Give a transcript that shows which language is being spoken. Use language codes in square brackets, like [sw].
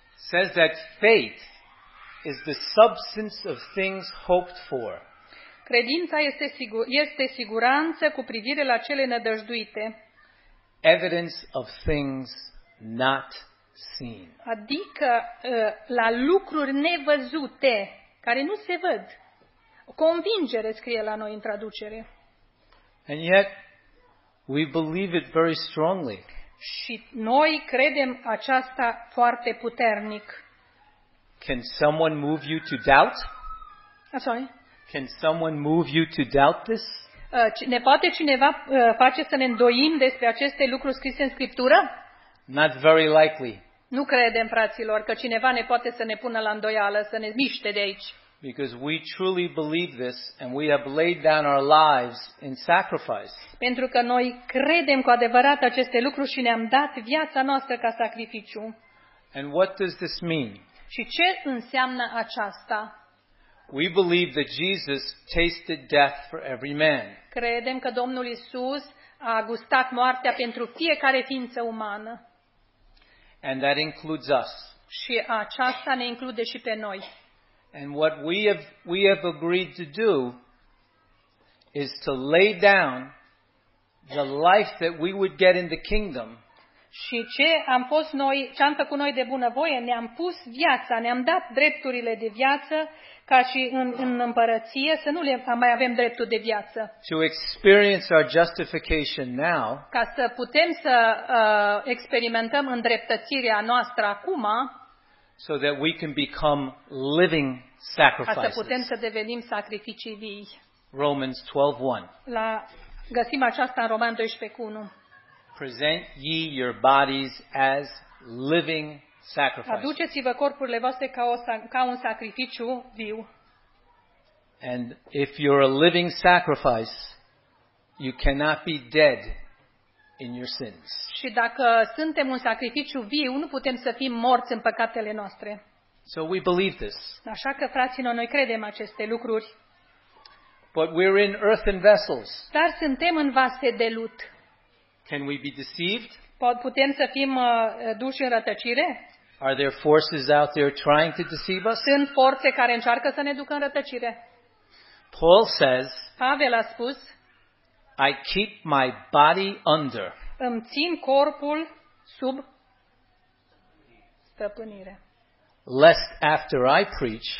[en] Says that faith is the substance of things hoped for. [ro] Credința este siguranță cu privire la cele nădăjduite. [en] Evidence of things not seen. [ro] Adică la lucruri nevăzute, care nu se văd. Convingere scrie la noi în traducere. [en] And yet we believe it very strongly. [ro] Și noi credem aceasta foarte puternic. [en] Can someone move you to doubt? Sorry. Can someone move you to doubt this? [ro] Ne poate cineva face să ne îndoim despre aceste lucruri scrise în Scriptură? [en] Not very likely. [ro] Nu credem, fraților, că cineva ne poate să ne pună la îndoială, să ne miște de aici. [en] Because we truly believe this and we have laid down our lives in sacrifice. [ro] Pentru că noi credem cu adevărat aceste lucruri și ne-am dat viața noastră ca sacrificiu. [en] And what does this mean? [ro] Și ce înseamnă aceasta? [en] We believe that Jesus tasted death for every man. [ro] Credem că Domnul Iisus a gustat moartea pentru fiecare ființă umană. [en] And that includes us. [ro] Și aceasta ne include și pe noi. [en] And what we have agreed to do is to lay down the life that we would get in the kingdom. [ro] Și ce am făcut noi de bunăvoie, ne-am pus viața, ne-am dat drepturile de viață ca și în împărăție, să nu le mai avem dreptul de viață. [en] To experience our justification now. [ro] Ca să putem să experimentăm îndreptățirea noastră acum. [en] So that we can become living sacrifices. [ro] Ca să putem să devenim sacrificii vii. [en] Romans 12:1. [ro] La găsim aceasta în Roman 12:1. [en] Present ye your bodies as living sacrifices. [ro] Aduceți-vă corpurile voastre ca un sacrificiu viu. [en] And if you're a living sacrifice, you cannot be dead in your sins. [ro] Și dacă suntem un sacrificiu viu, nu putem să fim morți în păcatele noastre. [en] So we believe this. [ro] Așa că, fraților, noi credem aceste lucruri. [en] But we're in earthen vessels. [ro] Dar suntem în vase de lut. [en] Can we be deceived? [ro] Putem să fim duși în rătăcire? [en] Are there forces out there trying to deceive us? [ro] Sunt forțe care încearcă să ne ducă în rătăcire. [en] Paul says, [ro] Pavel a spus, [en] I keep my body under. [ro] Îmi țin corpul sub stăpânire. [en] Lest after I preach,